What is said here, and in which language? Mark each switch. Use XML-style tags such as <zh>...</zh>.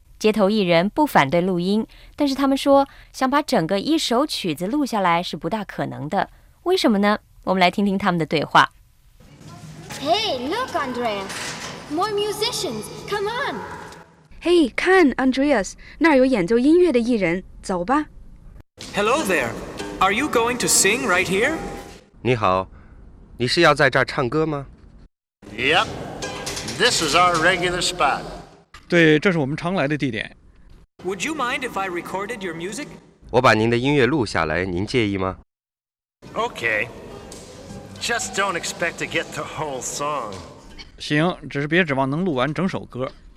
<zh>街头艺人不反对录音，但是他们说想把整个一首曲子录下来是不大可能的。为什么呢？我们来听听他们的对话。</zh> <en>Hey, look, Andreas. More musicians. Come on.</en> <zh>Hey, 看 Andreas, 那儿有演奏音乐的艺人，走吧。</zh> <en>Hello there. Are you going to sing right here?</en> <zh>你好，你是要在这儿唱歌吗？</zh> <en>Yep. This is our regular spot.</en> <zh>对，这是我们常来的地点。</zh> <en>Would you mind if I recorded your music?</en> <zh>我把您的音乐录下来，您介意吗？</zh> <en>Okay. Just don't expect to get the whole song.</en> <zh>行，只是别指望能录完整首歌。</zh>